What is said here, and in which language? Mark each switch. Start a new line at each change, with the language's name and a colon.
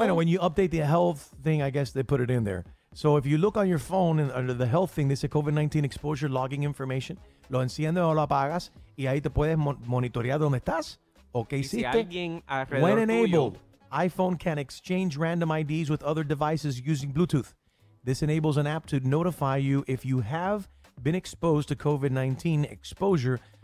English: Bueno, when you update the health thing, I guess they put it in there. So if you look on your phone and under the health thing, they say COVID-19 exposure logging information.
Spanish: Lo enciendes o lo apagas y ahí te puedes monitorear dónde estás o qué hiciste. Y si alguien alrededor
English: when enabled,
Spanish: tuyo.
English: iPhone can exchange random IDs with other devices using Bluetooth. This enables an app to notify you if you have been exposed to COVID-19 exposure.